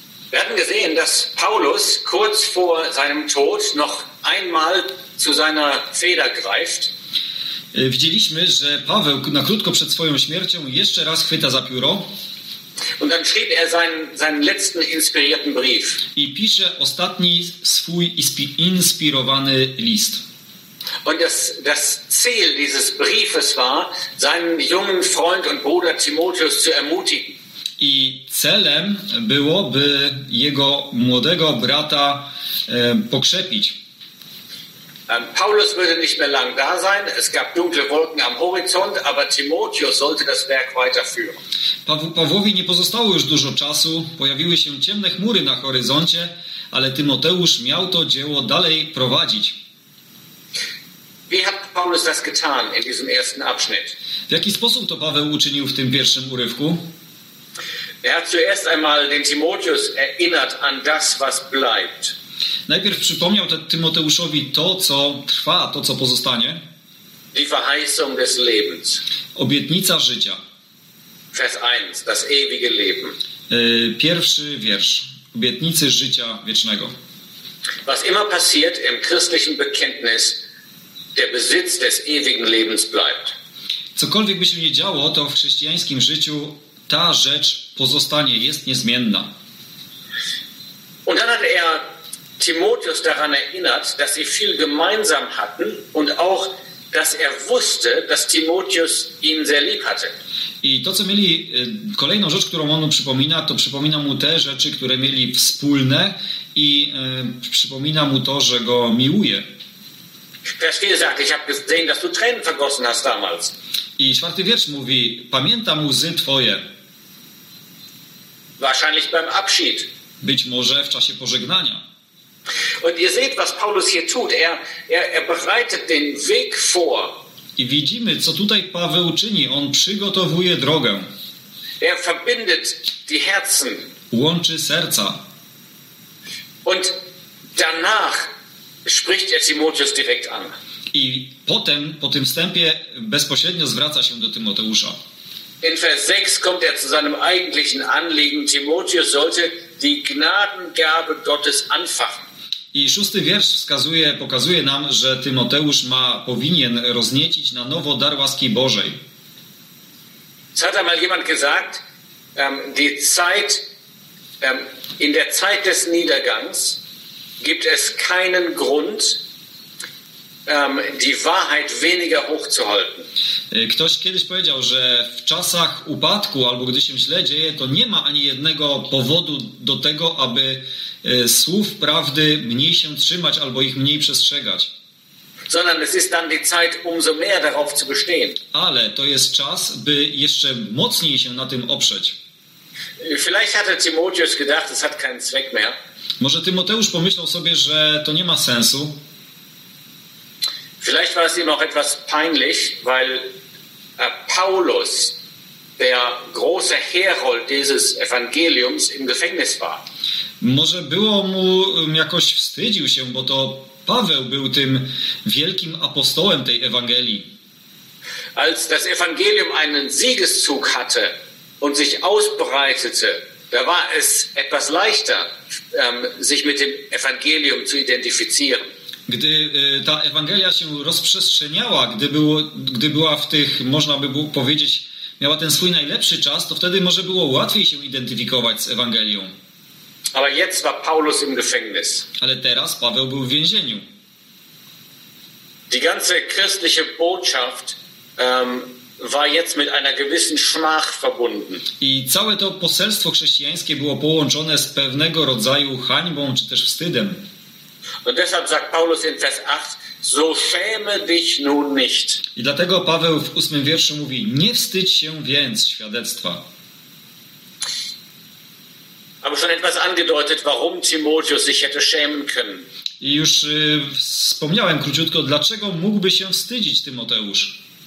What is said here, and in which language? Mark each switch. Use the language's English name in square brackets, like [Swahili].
[German] Wir hatten gesehen, dass Paulus kurz vor seinem Tod noch einmal zu seiner Feder greift. [Polish] Widzieliśmy, że Paweł na krótko przed swoją śmiercią jeszcze raz chwyta za pióro. [German] Und dann schrieb er seinen letzten inspirierten Brief. [Polish] I pisze ostatni swój inspirowany list. [German] Und das Ziel dieses Briefes war, seinen jungen Freund und Bruder Timotheus zu ermutigen. [Polish] I celem było, by jego młodego brata pokrzepić. [German] Paulus würde nicht mehr lang da sein. Es gab dunkle Wolken am Horizont, aber Timotheus sollte das Werk weiterführen. [Polish] Pawłowi nie pozostało już dużo czasu. Pojawiły się ciemne chmury na horyzoncie, ale Tymoteusz miał to dzieło dalej prowadzić. [German] Wie hat Paulus das getan in diesem ersten Abschnitt? [Polish] W jaki sposób to Paweł uczynił w tym pierwszym urywku? [German] Er hat zuerst einmal den Timotheus erinnert an das, was bleibt. [Polish] Najpierw przypomniał Tymoteuszowi to, co trwa, to, co pozostanie. [German] Die Verheißung des Lebens. [Polish] Obietnica życia. [German] Vers 1, das ewige Leben. [Polish] Pierwszy wiersz. Obietnicy życia wiecznego. [German] Was immer passiert im christlichen Bekenntnis, der Besitz des ewigen Lebens bleibt. [Polish] Cokolwiek by się nie działo, to w chrześcijańskim życiu ta rzecz pozostanie, jest niezmienna. [German] Und dann hat er Timotheus daran erinnert, dass sie viel gemeinsam hatten und auch, dass er wusste, dass Timotheus ihn sehr lieb hatte. [Polish] I to, co mieli, kolejną rzecz, którą on przypomina, to przypomina mu te rzeczy, które mieli wspólne i przypomina mu to, że go miłuje. [German] Vers 4 sagt, ich habe gesehen, dass du Tränen vergossen hast damals. [Polish] I czwarty wiersz mówi, pamiętam łzy twoje. [German] Wahrscheinlich beim Abschied. [Polish] Być może w czasie pożegnania. [German] Und ihr seht, was Paulus hier tut. Er bereitet den Weg vor. [Polish] I widzimy, co tutaj Paweł czyni. On przygotowuje drogę. [German] Er verbindet die Herzen. [Polish] Łączy serca. [German] Und danach spricht er Timotheus direkt an. [Polish] I potem, po tym wstępie, bezpośrednio zwraca się do Tymoteusza. [German] In Vers 6 kommt er zu seinem eigentlichen Anliegen. Timotheus sollte die Gnadengabe Gottes anfachen. [Polish] I szósty wiersz wskazuje, pokazuje nam, że Tymoteusz ma, powinien rozniecić na nowo dar łaski Bożej. [German] Es hat einmal jemand gesagt, die Zeit, in der Zeit des Niedergangs gibt es keinen Grund, die Wahrheit weniger hochzuhalten. [Polish] Ktoś kiedyś powiedział, że w czasach upadku albo gdy się źle dzieje, to nie ma ani jednego powodu do tego, aby słów prawdy mniej się trzymać albo ich mniej przestrzegać. [German] Sondern es ist dann die Zeit, umso mehr darauf zu bestehen. [Polish] Ale to jest czas, by jeszcze mocniej się na tym oprzeć. [German] Vielleicht hatte Timotheus gedacht, es hat keinen Zweck mehr. [Polish] Może Tymoteusz pomyślał sobie, że to nie ma sensu. [German] Vielleicht war es ihm auch etwas peinlich, weil Paulus, der große Herold dieses Evangeliums, im Gefängnis war. [Polish] Może było mu jakoś wstydził się, bo to Paweł był tym wielkim apostołem tej Ewangelii. [German] Als das Evangelium einen Siegeszug hatte und sich ausbreitete, da war es etwas leichter, sich mit dem Evangelium zu identifizieren. [Polish] Gdy ta Ewangelia się rozprzestrzeniała, gdy była w tych, można by było powiedzieć, miała ten swój najlepszy czas, to wtedy może było łatwiej się identyfikować z Ewangelią. [German] Ale jetzt war Paulus im Gefängnis. [Polish] Ale teraz Paweł był w więzieniu. [German] Die ganze christliche Botschaft war jetzt mit einer gewissen Schmach verbunden. [Polish] I całe to poselstwo chrześcijańskie było połączone z pewnego rodzaju hańbą czy też wstydem. [German] Und deshalb sagt Paulus in Vers 8: So schäme dich nun nicht. [Polish] I dlatego Paweł w 8 wierszu mówi: Nie wstydź się więc świadectwa. [German] Aber schon etwas angedeutet, warum Timotheus sich hätte schämen können. [Polish] I już wspomniałem króciutko, dlaczego mógłby się wstydzić Tymoteusz.